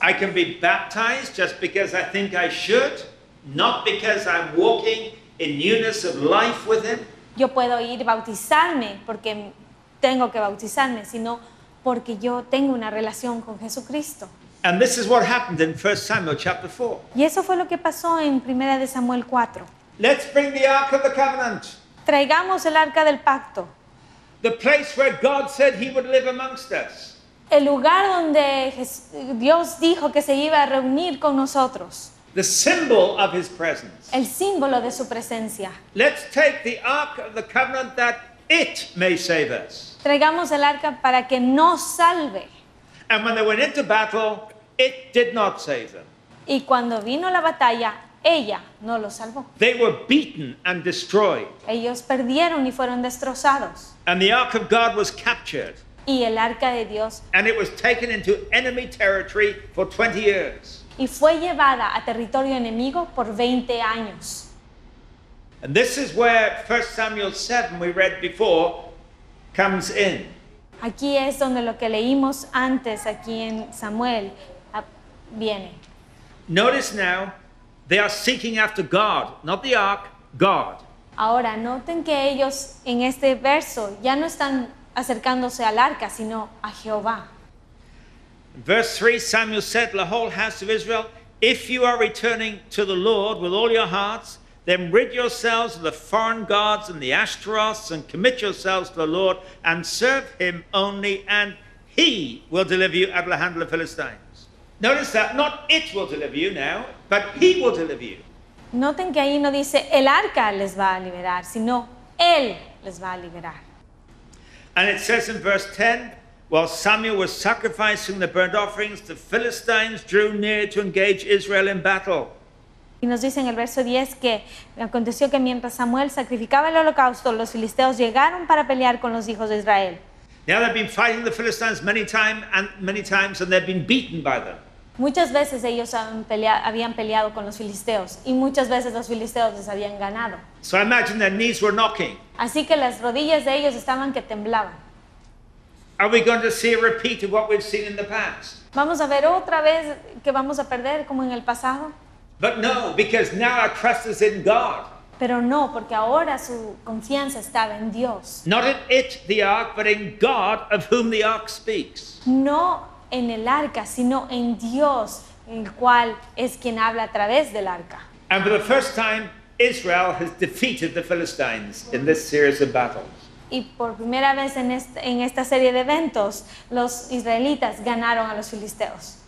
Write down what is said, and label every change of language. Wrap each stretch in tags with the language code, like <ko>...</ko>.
<en>I can be baptized just because I think I should, not because I'm walking in newness of life with him.</en> <es>Yo puedo ir bautizarme porque tengo que bautizarme, sino porque yo tengo una relación con Jesucristo.</es> <en>And this is what happened in 1 Samuel chapter 4.</en> <es>Y eso fue lo que pasó en 1 Samuel 4.</es> <en>Let's bring the Ark of the Covenant.</en> <es>Traigamos el Arca del Pacto.</es> <en>The place where God said he would live amongst us.</en> <es>El lugar donde Dios dijo que se iba a reunir con nosotros.</es> <en>The symbol of his presence.</en> <es>El símbolo de su presencia.</es> <en>Let's take the Ark of the Covenant that it may save us.</en> <es>Traigamos el arca para que nos salve.</es> <en>And when they went into battle, it did not save them.</en> <es>Y cuando vino la batalla, ella no los salvó.</es> <en>They were beaten and destroyed.</en> <es>Ellos perdieron y fueron destrozados.</es> <en>And the Ark of God was captured.</en> <es>Y el arca de Dios.</es> <en>And it was taken into enemy territory for 20 years.</en> <es>Y fue llevada a territorio enemigo por 20 años.</es> <en>And this is where 1 Samuel 7 we read before comes in.</en> <es>Aquí es donde lo que leímos antes aquí en Samuel viene.</es> <en>Notice now they are seeking after God, not the ark, God.</en> <es>Ahora noten que ellos en este verso ya no están acercándose al arca, sino a Jehová.</es> <en>Verse 3, Samuel said, the whole house of Israel, if you are returning to the Lord with all your hearts, then rid yourselves of the foreign gods and the Ashtaroths and commit yourselves to the Lord and serve him only, and he will deliver you out of the hand of the Philistines. Notice that, not it will deliver you now, but he will deliver you.</en> <es>Noten que ahí no dice, el arca les va a liberar, sino él les va a liberar.</es> <en>And it says in verse 10, while Samuel was sacrificing the burnt offerings, the Philistines drew near to engage Israel in battle.</en> <es>Y nos dice en el verso 10 que aconteció que mientras Samuel sacrificaba el holocausto, los filisteos llegaron para pelear con los hijos de Israel.</es> <en>Now they've been fighting the Philistines many times and they've been beaten by them.</en> <es>Muchas veces ellos habían peleado con los filisteos y muchas veces los filisteos les habían ganado.</es> <en>So I imagine their knees were knocking.</en> <es>Así que las rodillas de ellos estaban que temblaban.</es> <en>Are we going to see a repeat of what we've seen in the past?</en> <es>¿Vamos a ver otra vez que vamos a perder como en el pasado?</es> <en>But no, because now our trust is in God.</en> <es>Pero no, porque ahora su confianza estaba en Dios.</es> <en>Not in it, the ark, but in God of whom the ark speaks.</en> <es>No en el arca, sino en Dios, el cual es quien habla a través del arca.</es> <en>And for the first time, Israel has defeated the Philistines in this series of battles.</en> <es>Y por primera vez en esta serie de eventos, los israelitas ganaron a los filisteos.</es>